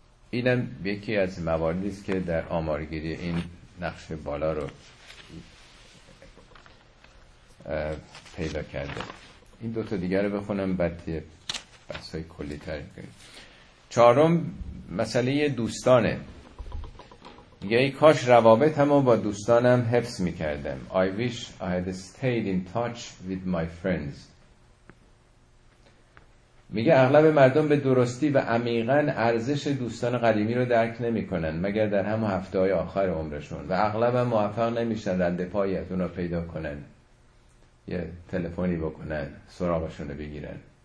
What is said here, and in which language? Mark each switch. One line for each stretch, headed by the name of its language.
Persian: اینم یکی از مواردی است که در آمارگیری این نقش بالا رو پیدا کرده. این دوتا دیگر رو بخونم بعد یه بحث های کلی تر کنیم. چهارم، مسئله دوستانه. یه ای کاش روابط همو با دوستانم حفظ می کردم.
English: I wish I had stayed in touch with my friends.
Persian: میگه اغلب مردم به درستی و عمیقا ارزش دوستان قدیمی رو درک نمیکنن مگر در همه هفته های آخر عمرشون، و اغلب هم موفق نمیشن رد پایی از اون رو پیدا کنن، یه تلفنی بکنن، سراغشون رو بگیرن.